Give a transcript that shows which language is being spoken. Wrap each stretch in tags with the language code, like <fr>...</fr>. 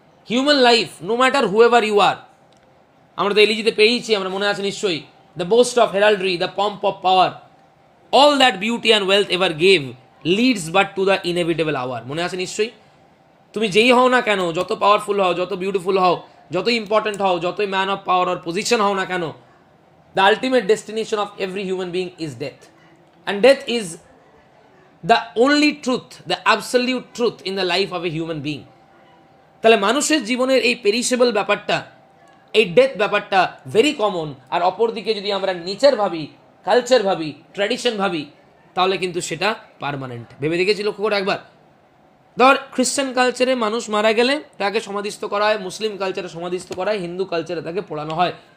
<en>human life, no matter who ever you are,</en> <bn>আমরা তো এলিজিতে পেয়েছি, আমরা মনে আছে নিশ্চয়ই,</bn> <en>The boast of heraldry, the pomp of power, all that beauty and wealth ever gave leads but to the inevitable hour.</en> <bn>মনে আছে নিশ্চয়ই, তুমি যেই হও না কেন, যত পাওয়ারফুল হও, যত বিউটিফুল হও, যত ইম্পর্টেন্ট হও, যতই</bn> <en>man of power or position</en> <bn>হও না কেন,</bn> <en>the ultimate destination of every human being is death. And death is the only truth, the absolute truth in the life of a human being.</en> <bn>তাহলে মানুষের জীবনের এই perishable ব্যাপারটা, এই death ব্যাপারটা ভেরি কমন। আর অপরদিকে যদি আমরা নেচার ভাবি, কালচার ভাবি, ট্র্যাডিশন ভাবি, তাহলে কিন্তু সেটা পারমানেন্ট। ভেবে দেখেছি, লক্ষ্য করো একবার। ধর খ্রিশ্চান কালচারে মানুষ মারা গেলে তাকে সমাধিস্থ করা হয়, মুসলিম কালচারে সমাধিস্থ করা হয়, হিন্দু কালচারে তাকে পোড়ানো হয়।</bn>